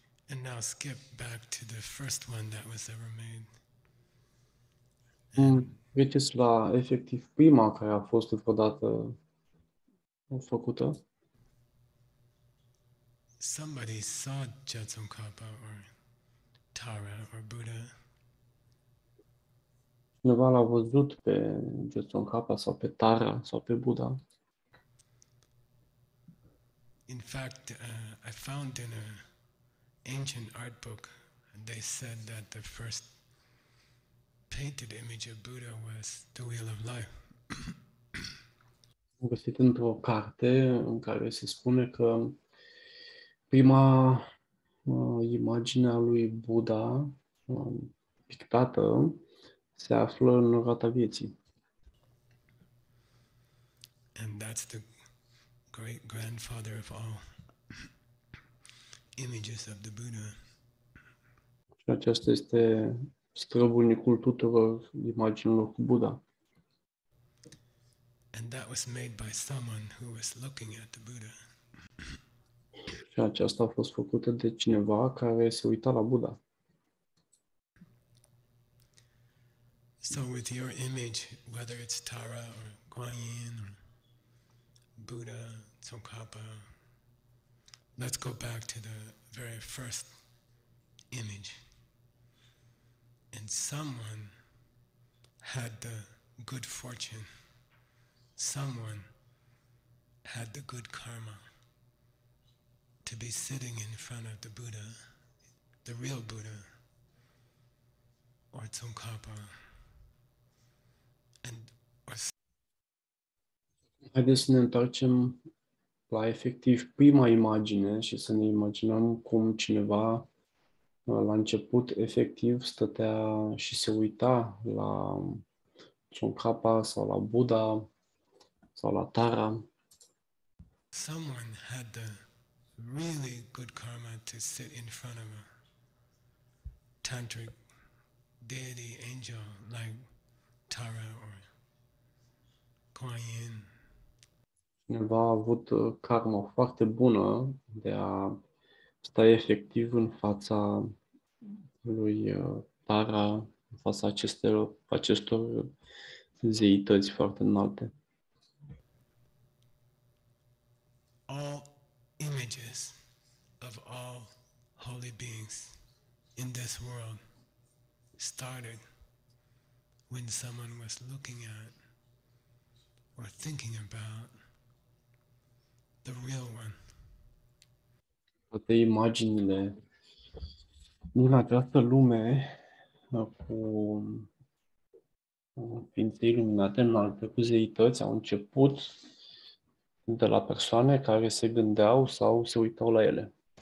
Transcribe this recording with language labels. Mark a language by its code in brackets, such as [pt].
[en] And now skip back to the first one that was ever made. [ro] Deci la efectiv prima care a fost vreodată făcută. [en] Somebody saw Jatsongkhapa or Tara or Buddha. [ro] Cineva l-a văzut pe Jatsongkhapa sau pe Tara sau pe Buddha. [en] In fact, I found in a ancient art book, they said that the first painted image of Buddha was the Wheel of Life. [ro] Am găsit într-o carte în care se spune că prima imagine a lui Buddha pictată se află în Roata Vieții. [en] And that's the great grandfather of all images of the Buddha. [ro] Și aceasta este străbunicul tuturor imaginilor cu Buddha. [en] And that was made by someone who was looking at the Buddha. [ro] Și aceasta a fost făcută de cineva care se uita la Buddha. [en] So with your image, whether it's Tara or Kuan Yin or Buddha, Tsongkhapa, let's go back to the very first image. And someone had the good fortune. Someone had the good karma to be sitting in front of the Buddha, the real Buddha, or Tsongkhapa. [ro] Haideți să ne întoarcem la efectiv prima imagine și să ne imaginăm cum cineva la început efectiv stătea și se uita la Tsongkhapa sau la Buddha sau la Tara. [en] Someone had the really good karma to sit in front of a tantric deity angel like Tara or Kuan Yin. [ro] Cineva a avut karma foarte bună de a sta efectiv în fața lui Tara, în fața acestor zeități foarte înalte. [en] All images of all holy beings in this world started when someone was looking at or thinking about the real one. [ro] Toate imaginile din această lume cu ființe iluminate înalte, cu zeități, au început de la persoane care se gândeau sau se uitau la ele.